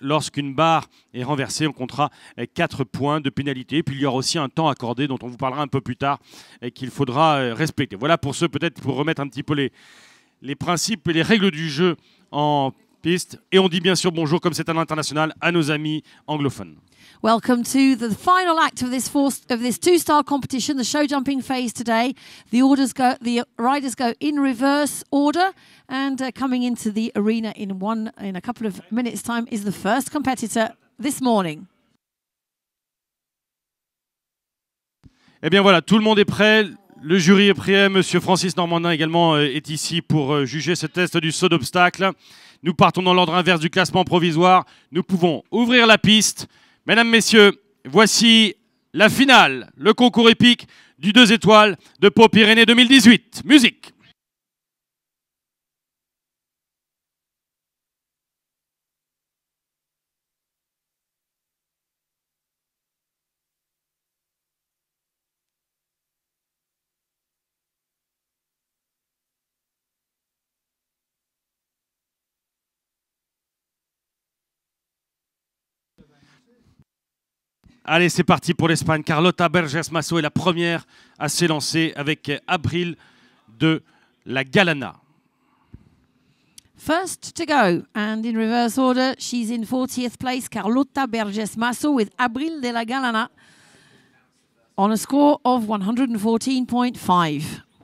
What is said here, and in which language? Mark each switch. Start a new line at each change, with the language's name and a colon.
French: Lorsqu'une barre est renversée, on comptera 4 points de pénalité. Puis il y aura aussi un temps accordé dont on vous parlera un peu plus tard et qu'il faudra respecter. Voilà pour ceux, peut-être, pour remettre un petit peu les principes et les règles du jeu en piste. Et on dit bien sûr bonjour, comme c'est un international, à nos amis anglophones.
English: Welcome to the final act of this two-star competition, the show jumping phase today. The riders go in reverse order, and coming into the arena in a couple of minutes' time is the first competitor this morning.
French: Eh bien voilà, tout le monde est prêt. Le jury est prêt. Monsieur Francis Normandin également est ici pour juger ce test du saut d'obstacle. Nous partons dans l'ordre inverse du classement provisoire. Nous pouvons ouvrir la piste. Mesdames, messieurs, voici la finale, le concours épique du 2 étoiles de Pau-Pyrénées 2018. Musique. Allez, c'est parti pour l'Espagne. Carlota Berges Masso est la première à s'élancer avec Abril de la Galana.
English: First to go, and in reverse order, she's in 40th place, Carlota Berges Masso with Abril de la Galana on a score of 114.5.